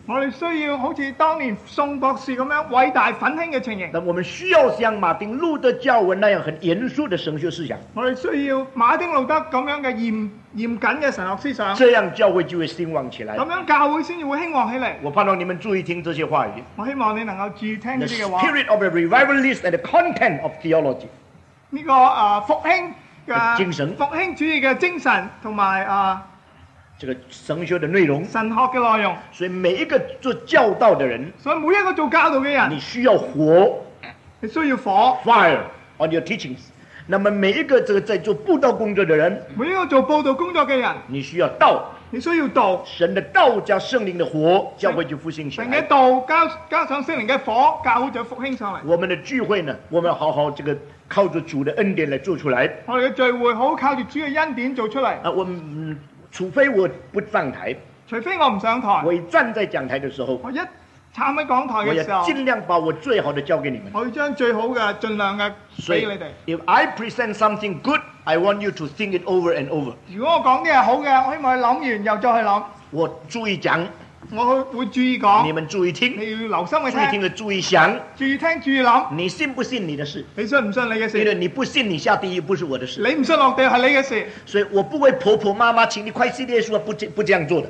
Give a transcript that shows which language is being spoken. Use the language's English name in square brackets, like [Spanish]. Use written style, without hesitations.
[Chinese] 我们需要好像当年宋博士那样伟大奋兴的情形但我们需要像马丁路德教文那样很严肃的神学思想我们需要马丁路德这样的严谨的神学思想这样教会就会兴旺起来这样教会才会兴旺起来我盼望你们注意听这些话语我希望你能够注意听这些话 [English] The spirit of a revivalist and the content of theology [Chinese] 这个复兴的精神复兴主义的精神和这个神学的内容神学的内容所以每一个做教导的人所以每一个做教导的人你需要火你需要火 [English] fire on your teachings [Chinese] 那么每一个这个在做布道工作的人每一个做布道工作的人你需要道你需要道神的道加圣灵的火教会就复兴起来神的道 加上圣灵的火教会就复兴上来我们的聚会呢我们好好这个靠着主的恩典来做出来我们的聚会好靠着主的恩典做出来我们除非我不上台除非我不上台我一站在讲台的时候我一站在讲台的时候我要尽量把我最好的交给你们我要将最好的尽量的所以 [English] if I present something good I want you to think it over and over [Chinese] 如果我讲的是好的我希望你想完又再去想我注意讲我会注意讲你们注意听你要留心去听注意听的注意想注意听注意想你信不信你的事你信不信你的事因为你不信你下地狱不是我的事你不信落地是你的事所以我不会婆婆妈妈请你快信耶稣 不这样做的